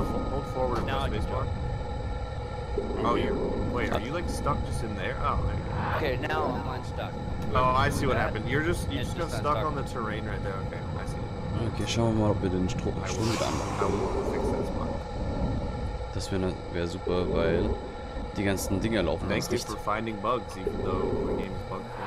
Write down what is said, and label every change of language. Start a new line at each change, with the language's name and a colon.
English: Hold forward on the space bar. Oh, are you like stuck just in there? Oh, there you go. Okay, now I'm unstuck. Oh, I see what happened. You're just got stuck on the terrain right there. Okay, I see.
German: Okay, schauen wir mal, ob wir den Strom wieder anmachen. Das wäre super, weil die ganzen Dinger laufen aus Sicht.
English: Thank you for finding bugs, even though the game is bugged.